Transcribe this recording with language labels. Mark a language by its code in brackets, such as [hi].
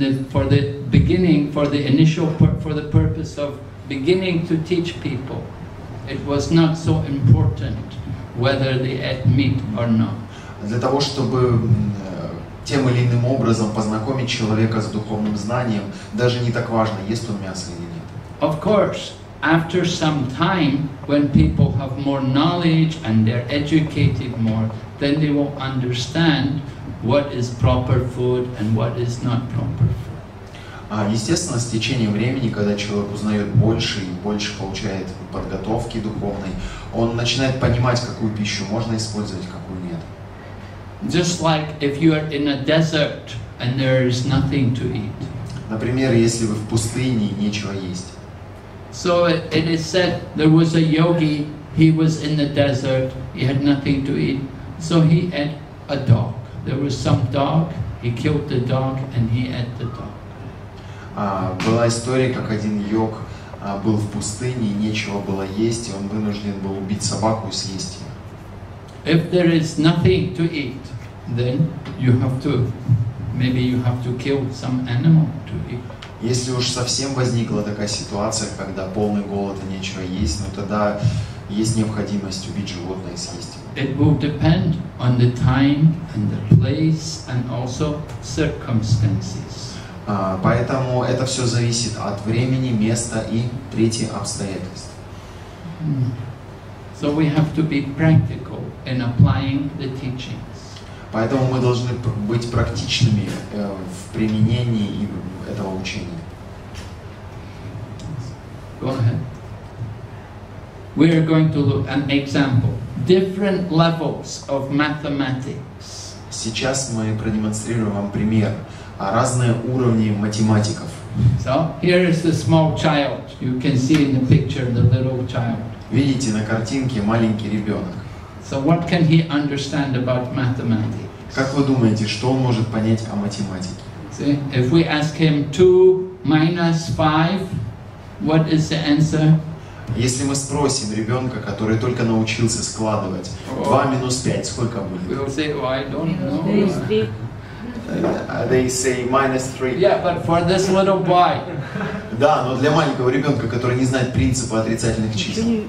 [en] For the purpose of beginning to teach people, it was not so important whether they ate meat or not. [ru] Для того чтобы тем или иным образом познакомить человека с духовным знанием, даже не так важно, ест он мясо или нет. [en] Of course, after some time, when people have more knowledge and they're educated more, then they will understand what is proper food and what is not proper food. [ru] Естественно, с течением времени, когда человек узнает больше и больше получает подготовки духовной, он начинает понимать, какую пищу можно использовать, какую нет. [en] Just like if you are in a desert and there is nothing to eat. [ru] Например, если вы в пустыне и нечего есть. [en] So it is said there was a yogi, he was in the desert, he had nothing to eat, so he ate a dog. There was some dog, he killed the dog and he ate the dog. [ru] Была история, как один йог был в пустыне и нечего было есть, и он вынужден был убить собаку и съесть ее. [en] If there is nothing to eat, then you have to, maybe you have to kill some animal to eat. [ru] Если уж совсем возникла такая ситуация, когда полный голод и нечего есть, ну тогда есть необходимость убить животное и съесть его. [en] It will depend on the time and the place and also circumstances. [ru] Поэтому это все зависит от времени, места и третьих обстоятельств. [en] So we have to be practical in applying the teachings. [ru] Поэтому мы должны быть практичными в применении этого учения. [en] Go ahead. We are going to look at an example. Different levels of mathematics. [ru] Сейчас мы продемонстрируем вам пример о разные уровни математиков. [en] So here is the small child. You can see in the picture the little child. [ru] Видите на картинке маленький ребенок. [en] So what can he understand about mathematics? [ru] Как вы думаете, что он может понять о математике? [en] See, if we ask him 2 - 5, what is the answer? [ru] Если мы спросим ребенка, который только научился складывать, 2 - 5, сколько будет? [en] We'll say, oh, I don't know. They say -3. Yeah, but for this little boy. [ru] Да, но для маленького ребенка, который не знает принципа отрицательных чисел.